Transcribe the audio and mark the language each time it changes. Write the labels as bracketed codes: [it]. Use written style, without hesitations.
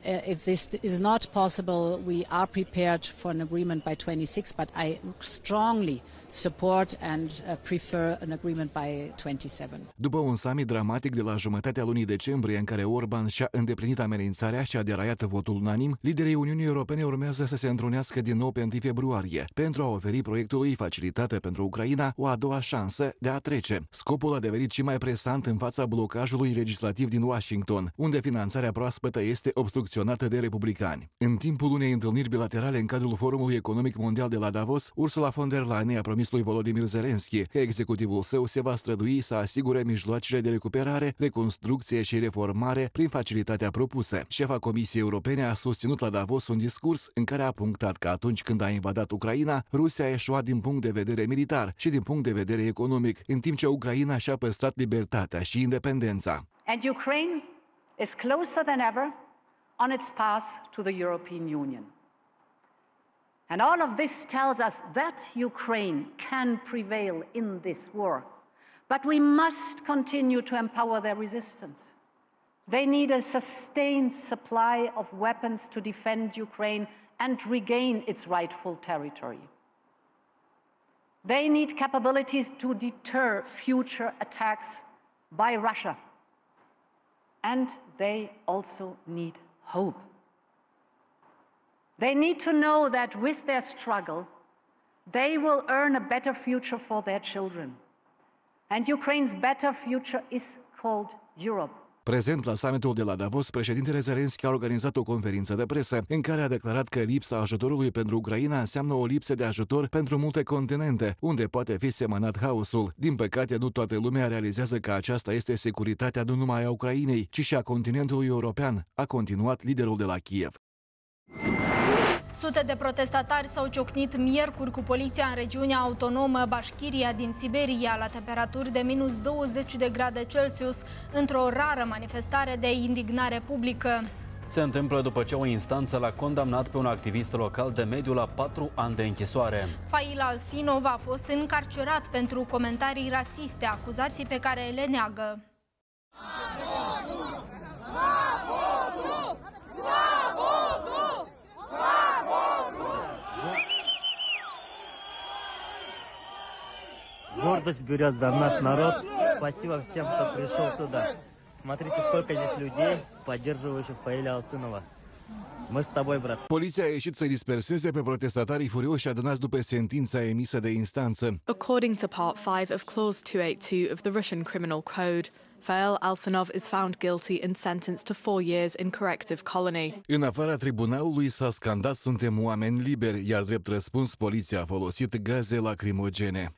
[en] If this is not possible, we are prepared for an agreement by 26, but I strongly support and prefer an agreement by 27. [ro] După un summit dramatic de la jumătatea lunii decembrie în care Orban și-a îndeplinit amenințarea și a deraiat votul unanim, liderii Uniunii Europene urmează să se întrunească din nou pe 1 februarie pentru a oferi proiectului facilitate pentru Ucraina o a doua șansă de a trece. Scopul a devenit și mai presant în fața blocajului legislativ din Washington, unde finanțarea proaspătă este obstrucționată de republicani. În timpul unei întâlniri bilaterale în cadrul Forumului Economic Mondial de la Davos, Ursula von der Leyen a promis lui Volodymyr Zelensky că executivul său se va strădui să asigure mijloacele de recuperare, reconstrucție și reformare prin facilitatea propusă. Șefa Comisiei Europene a susținut la Davos un discurs în care a punctat că atunci când a invadat Ucraina, Rusia a eșuat din punct de vedere militar și din punct de vedere economic, în timp ce Ucraina și-a păstrat libertatea și independența. [en] And Ukraine is closer than ever on its path to the European Union. And all of this tells us that Ukraine can prevail in this war. But we must continue to empower their resistance. They need a sustained supply of weapons to defend Ukraine and regain its rightful territory. They need capabilities to deter future attacks by Russia. And they also need hope. They need to know that with their struggle, they will earn a better future for their children. And Ukraine's better future is called Europe. [ro] Prezent la summitul de la Davos, președintele Zelensky a organizat o conferință de presă în care a declarat că lipsa ajutorului pentru Ucraina înseamnă o lipsă de ajutor pentru multe continente, unde poate fi semănat haosul. Din păcate, nu toată lumea realizează că aceasta este securitatea nu numai a Ucrainei, ci și a continentului european, a continuat liderul de la Kiev. Sute de protestatari s-au ciocnit miercuri cu poliția în regiunea autonomă Bashkiria din Siberia la temperaturi de minus 20 de grade Celsius într-o rară manifestare de indignare publică. Se întâmplă după ce o instanță l-a condamnat pe un activist local de mediu la 4 ani de închisoare. Fail Alsinov a fost încarcerat pentru comentarii rasiste, acuzații pe care le neagă. [ru] Свободу! Свободу! Свободу! гордость берет за наш народ. Спасибо всем, кто пришел сюда. Смотрите, сколько здесь людей, поддерживающих Фаиля Алсынова. Мы с тобой, брат. [ro] Poliția a ieșit să disperseze pe protestatarii furioși adunați după sentința emisă de instanță. [en] According to part 5 of clause 282 of the Russian Criminal Code, Fael Alsınov is found guilty and sentenced to 4 years in corrective colony. [ro] În afara tribunalului s-a scandat "Suntem oameni liberi", iar drept răspuns poliția a folosit gaze lacrimogene.